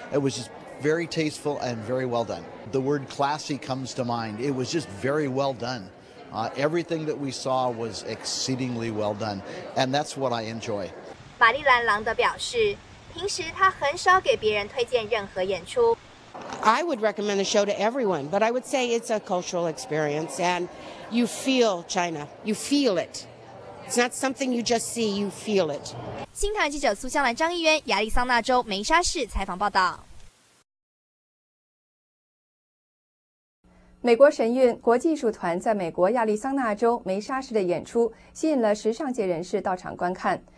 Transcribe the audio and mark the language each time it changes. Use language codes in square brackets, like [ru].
[en] It was just very tasteful and very well done. The word classy comes to mind. It was just very well done. Everything that we saw was exceedingly well done, and that's what I enjoy. [zh] 玛丽兰·朗德表示，平时她很少给别人推荐任何演出。 [en] I would recommend the show to everyone, but I would say it's a cultural experience, and you feel China. You feel it. It's not something you just see. You feel it. [zh] 新唐记者苏香兰、张一元，亚利桑那州梅沙市采访报道。美国神韵国际艺术团在美国亚利桑那州梅沙市的演出吸引了时尚界人士到场观看。